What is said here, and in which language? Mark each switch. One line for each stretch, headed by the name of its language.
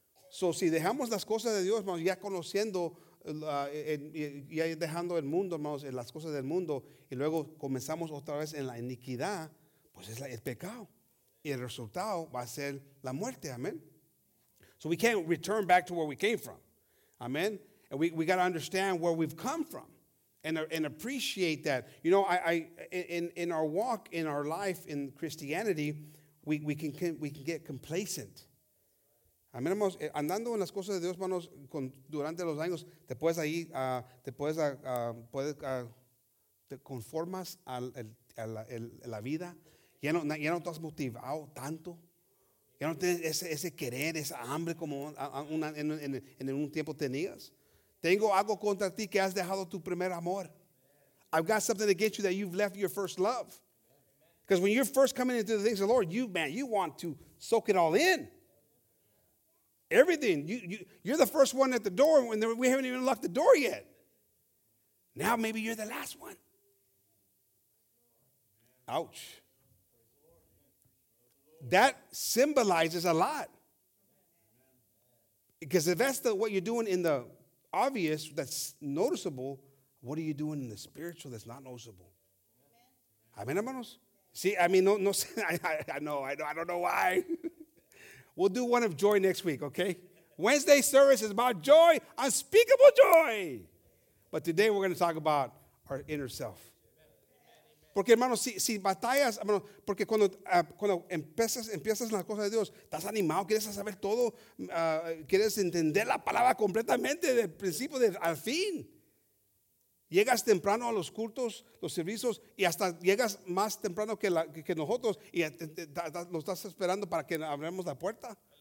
Spanish: So si dejamos las cosas de Dios, hermanos, ya conociendo y dejando el mundo, hermanos, las cosas del mundo, y luego comenzamos otra vez en la iniquidad, pues es el pecado. Y el resultado va a ser la muerte. Amen.
English: So we can't return back to where we came from. Amen. And we got to understand where we've come from and appreciate that. You know, in our walk, in our life, in Christianity, we can get complacent.
Spanish: Amen, hermanos. Andando en las cosas de Dios, hermanos, durante los años, te conformas a la vida. Ya no estás motivado tanto. Ya no tienes ese querer, esa hambre como en un tiempo tenías. Tengo algo contra ti que has dejado tu primer amor.
English: I've got something against you that you've left your first love. Because when you're first coming into the things of the Lord, you want to soak it all in. Everything. You're the first one at the door when we haven't even locked the door yet. Now maybe you're the last one. Ouch. That symbolizes a lot. Because if that's what you're doing in the obvious, that's noticeable, what are you doing in the spiritual that's not noticeable? Amen, hermanos? See, I mean, no, I know, I don't know why. We'll do one of joy next week, okay? Wednesday service is about joy, unspeakable joy. But today we're going to talk about our inner self.
Spanish: Porque, hermanos, si batallas, hermano, porque cuando empiezas en las cosas de Dios, estás animado, quieres saber todo, quieres entender la palabra completamente del principio al fin. Llegas temprano a los cultos, los servicios, y hasta llegas más temprano que nosotros, y lo estás esperando para que abramos la puerta.